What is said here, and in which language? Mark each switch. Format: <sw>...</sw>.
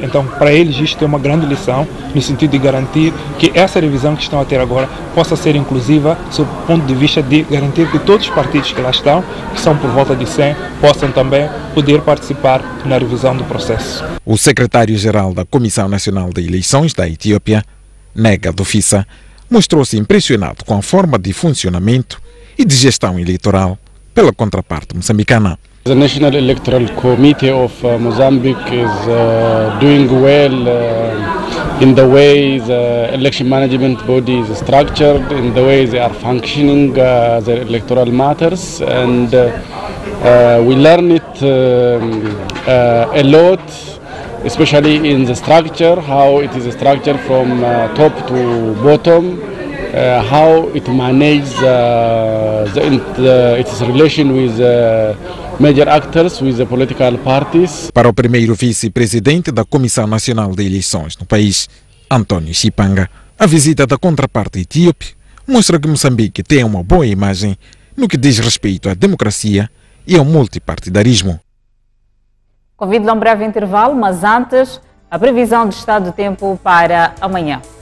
<pt>Então, para eles isto é uma grande lição no sentido de garantir que essa revisão que estão a ter agora possa ser inclusiva sob o ponto de vista de garantir que todos os partidos que lá estão, que são por volta de 100, possam também poder participar na revisão do processo. O secretário-geral da Comissão Nacional de Eleições da Etiópia, Nega Dufissa, mostrou-se impressionado com a forma de funcionamento e de gestão eleitoral pela contraparte moçambicana.</pt> <en>The National Electoral Committee of Mozambique is doing well in the way the election management body is structured, in the way they are functioning the electoral matters, and we learn it a lot, especially in the structure, how it is structured from top to bottom, how it manages its relation with major actors, with the political parties.</en> <pt>Para o primeiro vice-presidente da Comissão Nacional de Eleições no país, António Chipanga, a visita da contraparte etíope mostra que Moçambique tem uma boa imagem no que diz respeito à democracia e ao multipartidarismo. Convido-lhe a um breve intervalo, mas antes, a previsão do estado do tempo para amanhã.</pt>